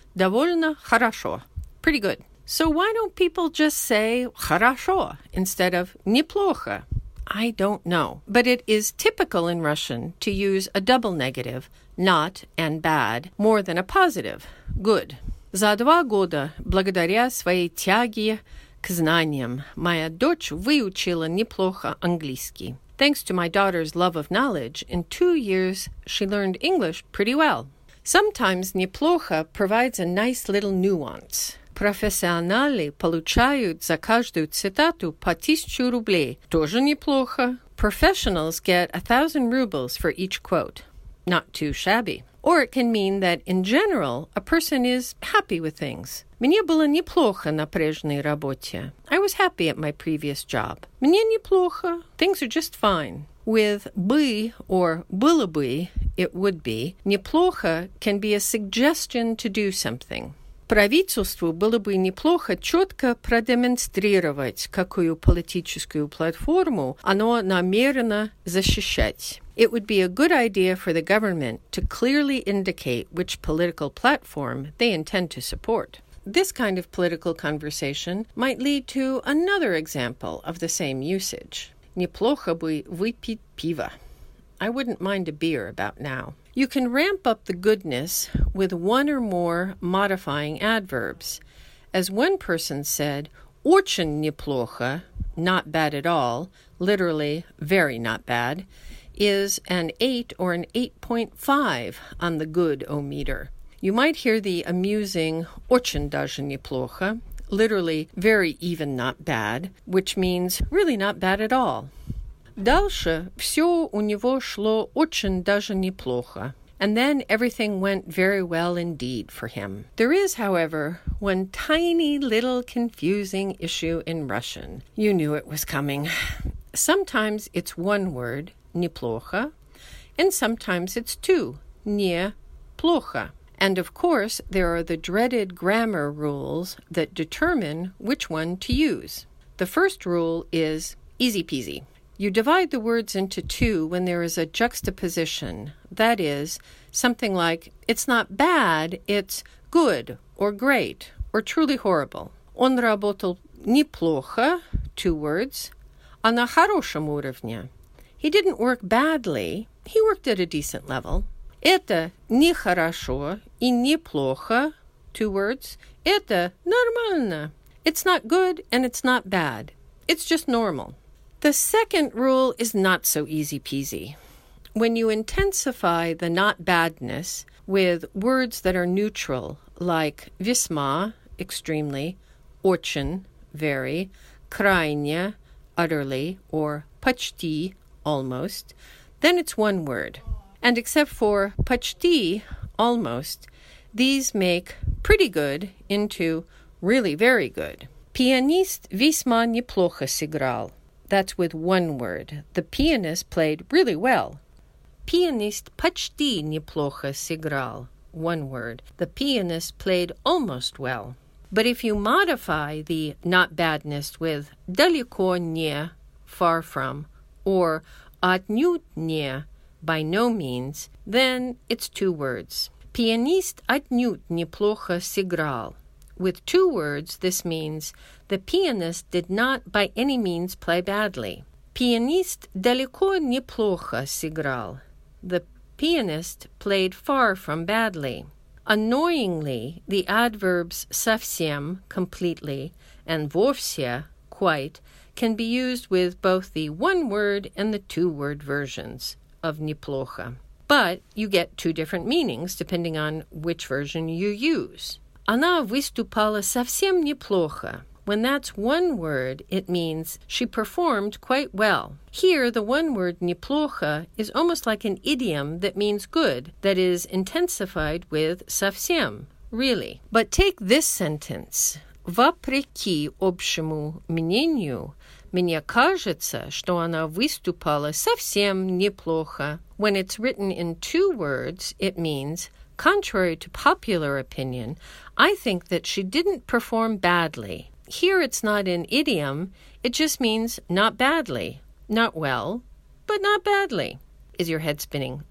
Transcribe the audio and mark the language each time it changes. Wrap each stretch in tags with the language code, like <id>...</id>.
<ru>Довольно хорошо.</ru> <en>Pretty good. So why don't people just say хорошо instead of неплохо? I don't know. But it is typical in Russian to use a double negative, not and bad, more than a positive, good.</en> <ru>За два года, благодаря своей тяге к знаниям, моя дочь выучила неплохо английский.</ru> <en>Thanks to my daughter's love of knowledge, in 2 years she learned English pretty well. Sometimes неплохо provides a nice little nuance.</en> <ru>Профессионалы получают за каждую цитату по 1000 рублей. Тоже неплохо.</ru> <en>Professionals get 1,000 rubles for each quote. Not too shabby. Or it can mean that, in general, a person is happy with things.</en> <ru>Мне было неплохо на прежней работе.</ru> <en>I was happy at my previous job.</en> <ru>Мне неплохо.</ru> <en>Things are just fine. With бы or было бы, it would be, неплохо can be a suggestion to do something.</en> <ru>Правительству было бы неплохо четко продемонстрировать, какую политическую платформу оно намерено защищать.</ru> <en>It would be a good idea for the government to clearly indicate which political platform they intend to support. This kind of political conversation might lead to another example of the same usage.</en> <ru>Неплохо бы выпить пиво.</ru> <en>I wouldn't mind a beer about now. You can ramp up the goodness with one or more modifying adverbs. As one person said, очень неплохо, not bad at all, literally very not bad, is an 8 or an 8.5 on the good-o-meter. You might hear the amusing очень даже неплохо, literally very even not bad, which means really not bad at all.</en> <ru>Дальше все у него шло очень даже неплохо.</ru> <en>And then everything went very well indeed for him. There is, however, one tiny little confusing issue in Russian. You knew it was coming. Сometimes it's one word, неплохо, and sometimes it's two, неплохо. And of course, there are the dreaded grammar rules that determine which one to use. The first rule is easy peasy. You divide the words into two when there is a juxtaposition, that is, something like, it's not bad, it's good, or great, or truly horrible.</en> <ru>Он работал неплохо,</ru> <en>two words,</en> <ru>а на хорошем уровне.</ru> <en>He didn't work badly, he worked at a decent level.</en> <ru>Это нехорошо и неплохо,</ru> <en>two words,</en> <ru>это нормально.</ru> <en>It's not good and it's not bad, it's just normal. The second rule is not so easy peasy. When you intensify the not badness with words that are neutral, like весьма, extremely, очень, very, крайне, utterly, or почти, almost, then it's one word. And except for почти, almost, these make pretty good into really very good.</en> <ru>Пианист весьма неплохо сыграл.</ru> <en>That's with one word. The pianist played really well.</en> <ru>Pianist почти неплохо сыграл.</ru> <en>One word. The pianist played almost well. But if you modify the not badness with далеко не, far from, or отнюдь не, by no means, then it's two words.</en> <ru>Pianist отнюдь неплохо сыграл.</ru> <en>With two words, this means the pianist did not by any means play badly.</en> <ru>Пианист далеко неплохо сыграл.</ru> <en>The pianist played far from badly. Annoyingly, the adverbs совсем, completely, and вовсе, quite, can be used with both the one-word and the two-word versions of неплохо. But you get two different meanings depending on which version you use.</en> <ru>Она выступала совсем неплохо.</ru> <en>When that's one word, it means she performed quite well. Here, the one word неплохо is almost like an idiom that means good, that is intensified with совсем, really. But take this sentence.</en> <ru>Вопреки общему мнению, мне кажется, что она выступала совсем неплохо.</ru> <en>When it's written in two words, it means, contrary to popular opinion, I think that she didn't perform badly. Here it's not an idiom, it just means not badly. Not well, but not badly. Is your head spinning?</en>